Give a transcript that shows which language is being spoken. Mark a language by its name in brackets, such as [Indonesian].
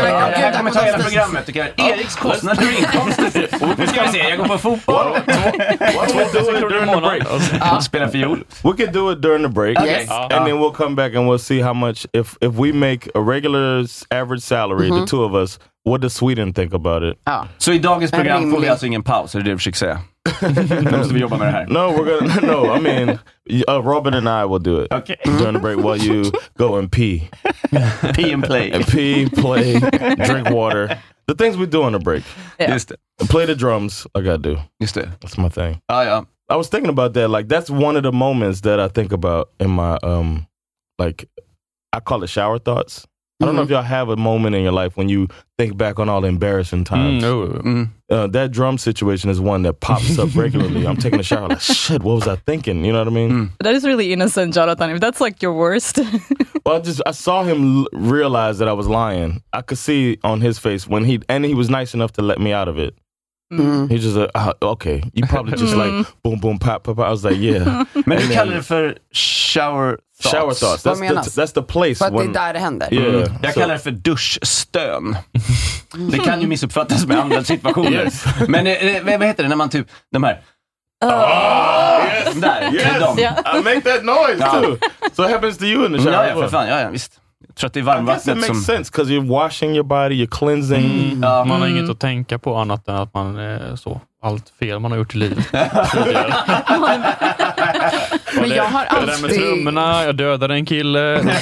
[Swedish] Jag kommer ta hela programmet. Eriks kostnader och inkomster. Nu ska vi se. Jag går på fotboll. [English] What do we do during the break? [Swedish] Spela fiol. [English] We could do it during the break. Yes. And then we'll come back and we'll see how much, if we make a regular average salary, the two of us, what does Sweden think about it? [Swedish] Så i dagens program får vi alltså ingen paus, är det du försöker säga? Nu måste vi jobba med det här. [English] No, we're gonna, no, I mean, Robin and I will do it. Okay. During the break while you go and pee. Pee and play. And pee, play, drink water. The things we do on the break. Yeah. Just it. Play the drums like I do. Just it. That's my thing. Oh, yeah. I was thinking about that. Like, that's one of the moments that I think about in my, like, I call it shower thoughts. I don't know if y'all have a moment in your life when you think back on all the embarrassing times. Mm, no. That drum situation is one that pops up regularly. I'm taking a shower like, shit, what was I thinking? You know what I mean? Mm. That is really innocent, Jonathan. If that's like your worst. Well, I saw him realize that I was lying. I could see on his face when he, and he was nice enough to let me out of it. Mm. He's just like, okay, you probably just like boom, boom, pop, pop, pop. I was like, yeah. [Swedish] Men du kallar det för [English] shower thoughts. Shower thoughts, that's the place. [Swedish] För att det är där det händer. [English] Yeah. Mm. [Swedish] Jag kallar det för duschstön. Det kan ju missuppfattas med andra situationer. [English] Yes. [Swedish] Men vad heter det när man typ, de här. [English] I make that noise too. So it happens to you in the shower. [Swedish] Ja, för fan, ja, visst. Trött i varmvattnet som... [English] I guess it makes sense, because you're washing your body, you're cleansing. [Swedish] Man har inget att tänka på annat än att man är så... Allt fel man har gjort i livet. Men jag har alltid... Det där med trummorna, jag dödade en kille.